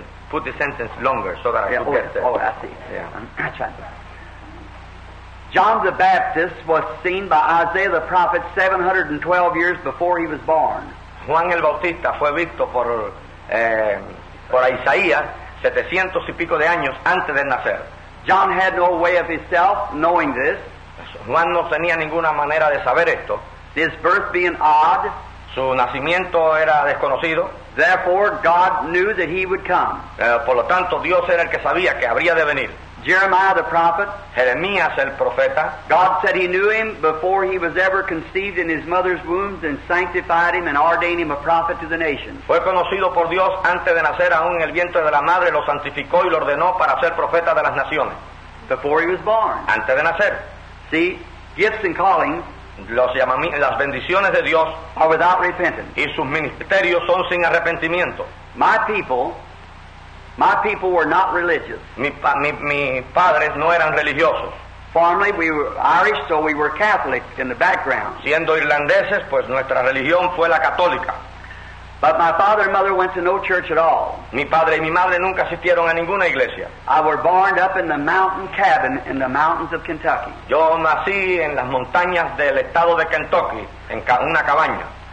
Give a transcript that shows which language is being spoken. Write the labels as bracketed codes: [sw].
[en] Put the sentence longer so that I can get it. Oh, I see. Yeah. John the Baptist was seen by Isaiah the prophet 712 years before he was born. [es] Juan el Bautista fue visto por Isaías 700 y pico de años antes de nacer. [en] John had no way of himself knowing this. [es] Juan no tenía ninguna manera de saber esto. [en] His birth being odd. [es] Su nacimiento era desconocido. [en] Therefore, God knew that he would come. [es] Por lo tanto, Dios era el que sabía que habría de venir. [en] Jeremiah the prophet. [es] Jeremías el profeta. [en] God said he knew him before he was ever conceived in his mother's womb and sanctified him and ordained him a prophet to the nations. [es] Fue conocido por Dios antes de nacer aún en el vientre de la madre, lo santificó y lo ordenó para ser profeta de las naciones. [en] Before he was born. [es] Antes de nacer. [en] See, gifts and callings. [es] Las bendiciones de Dios. [en] Are without repentance. [es] Y sus ministerios son sin arrepentimiento. [en] My people were not religious. [es] Mis padres no eran religiosos. [en] Formerly we were Irish, so we were Catholic in the background. [es] Siendo irlandeses, pues nuestra religión fue la católica. [en] But my father and mother went to no church at all. [es] Mi padre y mi madre nunca asistieron a ninguna iglesia. [en] I were born up in the mountain cabin in the mountains of Kentucky. [es] Yo nací en las montañas del estado de Kentucky, en una cabaña.